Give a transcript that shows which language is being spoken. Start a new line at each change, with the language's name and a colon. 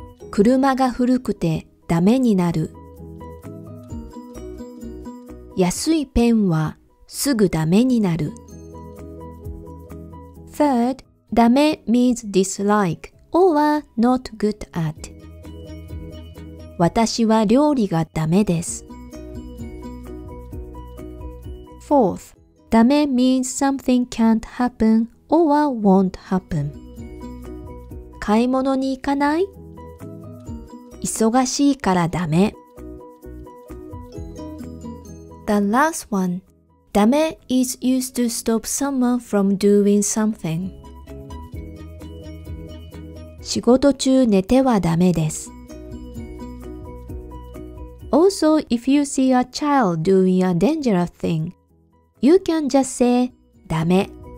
Japanese: 車が古くてダメになる。安いペンはすぐダメになる。
English: Third, ダメ means dislike or not good at.
Japanese: 私は料理がダメです。
English: Fourth, ダメ means something can't happenOr won't happen.
Japanese: 買い物に行かない?忙しいからダメ。
English: The last one. ダメ is used to stop someone from doing something.
Japanese: 仕事中寝てはダメです。
English: Also, if you see a child doing a dangerous thing, you can just say, ダメ。